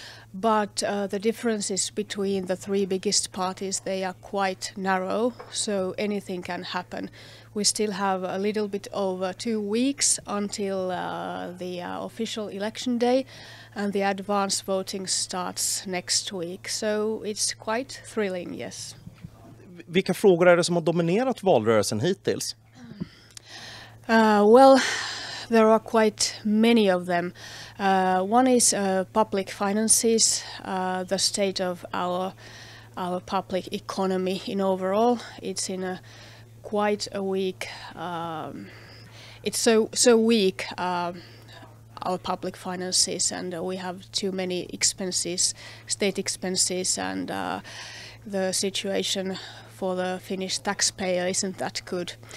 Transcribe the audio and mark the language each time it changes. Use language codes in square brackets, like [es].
[en] But the differences between the three biggest parties, they are quite narrow, so anything can happen. We still have a little bit over 2 weeks until the official election day, and the advance voting starts next week. So it's quite thrilling, yes. [sv] Vilka frågor är det som har dominerat valrörelsen hittills? [en] Well, there are quite many of them. One is public finances, the state of our public economy in overall. It's in a quite a weak. It's so weak our public finances, and we have too many expenses, state expenses, and the situation for the Finnish taxpayer isn't that good.